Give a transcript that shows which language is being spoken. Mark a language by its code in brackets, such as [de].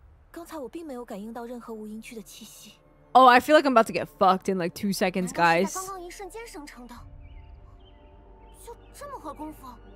[zh] 刚才我并没有感应到任何无音区的气息。 [en] Oh, I feel like I'm about to get fucked in like 2 seconds, guys. [zh] 刚刚一瞬间生成的，就这么会功夫？